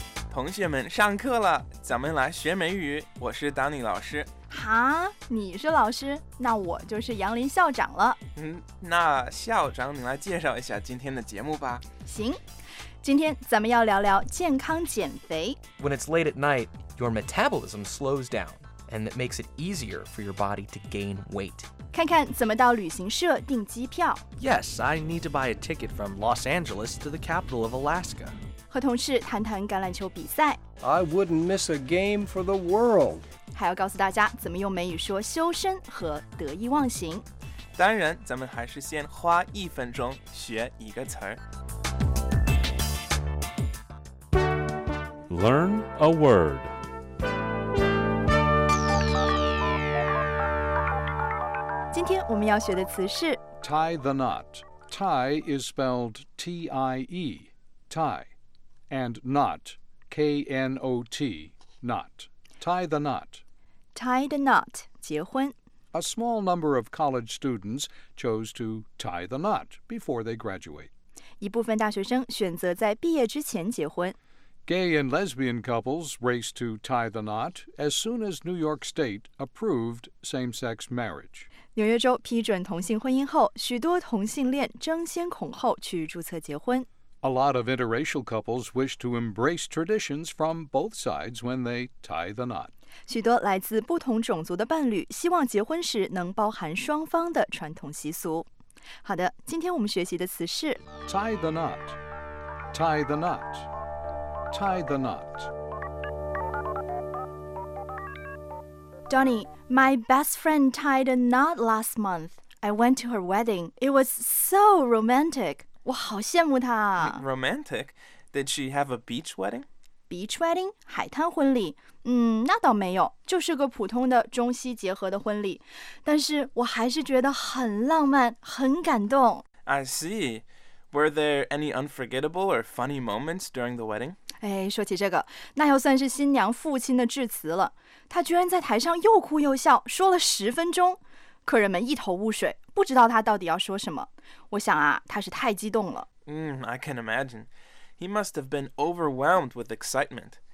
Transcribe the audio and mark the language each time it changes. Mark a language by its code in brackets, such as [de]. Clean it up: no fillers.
[zh] 同学们上课了，咱们来学美语。我是丹尼老师。哈，你是老师，那我就是杨林校长了。那校长你来介绍一下今天的节目吧。行，今天咱们要聊聊健康减肥。 [en] When it's late at night, your metabolism slows down, and it makes it easier for your body to gain weight. [zh] 看看怎么到旅行社订机票。 [en] Yes, I need to buy a ticket from Los Angeles to the capital of Alaska. [zh] 和同事谈谈橄榄球比赛。 [en] I wouldn't miss a game for the world. [zh] 还要告诉大家怎么用美语说修身和得意忘形。当然，咱们还是先花一分钟学一个词儿。 [en] Learn a word. [zh] 今天我们要学的词是 [en] tie the knot. Tie is spelled T-I-E, tie, and knot, K-N-O-T, knot. Tie the knot. Tie the knot, [zh] 结婚。 [en] A small number of college students chose to tie the knot before they graduate. [zh] 一部分大学生选择在毕业之前结婚。 [en] Gay and lesbian couples race to tie the knot as soon as New York State approved same-sex marriage. [zh] 纽约州批准同性婚姻后，许多同性恋争先恐后去注册结婚。 [en] A lot of interracial couples wish to embrace traditions from both sides when they tie the knot. [zh] 许多来自不同种族的伴侣希望结婚时能包含双方的传统习俗。好的，今天我们学习的词是 [en] tie the knot, tie the knot, tie the knot. Johnny, my best friend tied a knot last month. I went to her wedding. It was so romantic. [zh] 我好羡慕她。 [en] Romantic? Did she have a beach wedding? Beach wedding? [zh] 海滩婚礼？那倒没有，就是个普通的中西结合的婚礼。但是我还是觉得很浪漫，很感动。 [en] I see. Were there any unforgettable or funny moments during the wedding? [zh] 哎，说起这个，那要算是新娘父亲的致辞了。他居然在台上又哭又笑，说了十分钟，客人们一头雾水，不知道他到底要说什么。我想啊，他是太激动了。 [en] I can imagine. He must have been overwhelmed with excitement.